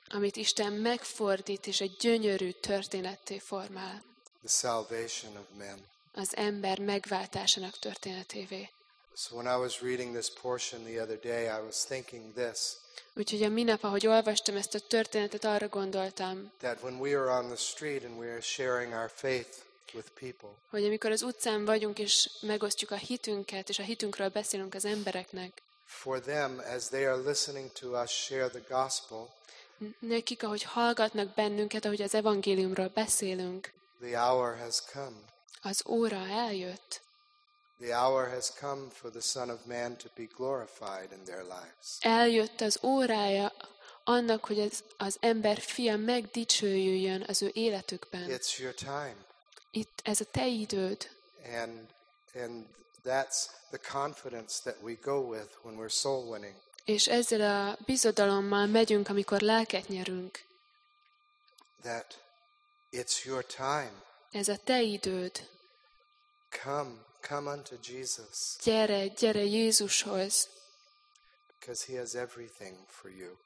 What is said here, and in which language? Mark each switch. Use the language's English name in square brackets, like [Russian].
[Hungarian] Amit Isten megfordít és egy gyönyörű történetté formál. [English] The salvation of men. [Hungarian] Az ember megváltásának történetévé. [English] So when I was reading this portion the other day, I was thinking this. [Hungarian] Úgyhogy a minap, ahogy olvastam ezt a történetet, arra gondoltam. [English] That when we are on the street and we are sharing our faith with people. [Hungarian] Hogy amikor az utcán vagyunk és megosztjuk a hitünket és a hitünkről beszélünk az embereknek. [English] For them, as they are listening to us share the gospel. [Hungarian] Nekik, ahogy hallgatnak bennünket, ahogy az evangéliumról beszélünk. [English] The hour has come. [Hungarian] Az óra eljött. [English] The hour has come for the Son of Man to be glorified in their lives. [Hungarian] Eljött az órája annak, hogy az ember fia megdicsőjüljön az ő életükben. [English] It's your time. [Hungarian] Itt ez a te időd. [English] And that's the confidence that we go with when we're soul winning. [Hungarian] És ezzel a bizodalommal megyünk, amikor lelket nyerünk. [English] That it's your time. [Hungarian] Ez a te időd. [English] Come unto Jesus. [Hungarian] Gyere Jézushoz. [English] Because he has everything for you.